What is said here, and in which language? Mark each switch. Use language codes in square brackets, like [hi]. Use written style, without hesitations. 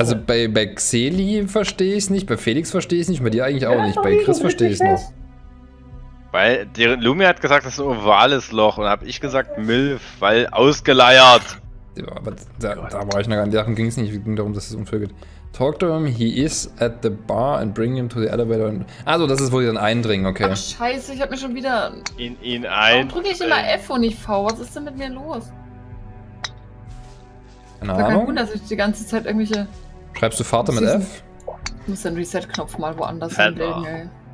[de] Also bei Xeli verstehe ich es nicht, bei Felix verstehe ich es nicht, bei dir eigentlich auch nicht, bei Chris verstehe ich es noch. Weil Lumi hat gesagt, das ist ein ovales Loch und habe ich gesagt MILF, weil ausgeleiert. Ja, aber da war ich noch gar nicht, darum ging es nicht, es ging darum, dass es unfair geht. [en] Talk to him, he is at the bar and bring him to the elevator. [de] Also das ist, wo sie dann eindringen, okay. Ach scheiße, ich habe mir schon wieder... In ein... Warum drücke ich immer F und nicht V, was ist denn mit mir los? Keine Ahnung. Kein Wunder, dass ich die ganze Zeit irgendwelche... Schreibst du Vater mit F? Ich muss den Reset-Knopf mal woanders hinlegen, ey.